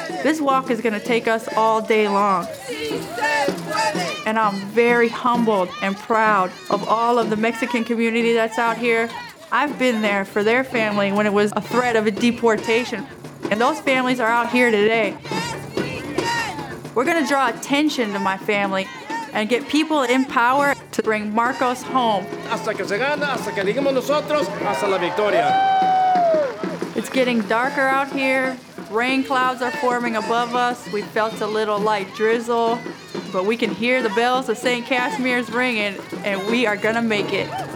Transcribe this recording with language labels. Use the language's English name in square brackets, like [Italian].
[English] This walk is going to take us all day long. And I'm very humbled and proud of all of the Mexican community that's out here. I've been there for their family when it was a threat of a deportation. And those families are out here today. We're going to draw attention to my family and get people in power to bring Marcos home. [Spanish] Hasta que se gana, hasta que lleguemos nosotros, hasta la victoria. [English] It's getting darker out here. Rain clouds are forming above us. We felt a little light drizzle, but we can hear the bells of St. Casimir's ringing, and we are going to make it.